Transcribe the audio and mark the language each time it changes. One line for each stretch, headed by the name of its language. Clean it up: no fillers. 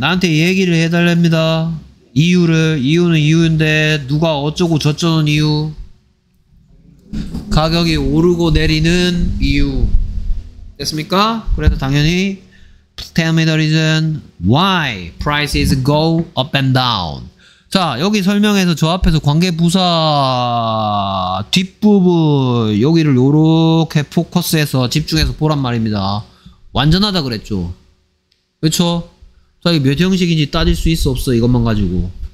Korean: 나한테 얘기를 해달랍니다. 이유를. 이유는 이유인데 누가 어쩌고 저쩌는 이유? 가격이 오르고 내리는 이유. 됐습니까? 그래서 당연히
English: Tell me the reason why prices go up and down.
Korean: 자, 여기 설명해서 저 앞에서 관계부사 뒷부분 여기를 요렇게 포커스해서 집중해서 보란 말입니다. 완전하다 그랬죠. 그렇죠? 자기 몇 형식인지 따질 수 있어 없어 이것만 가지고.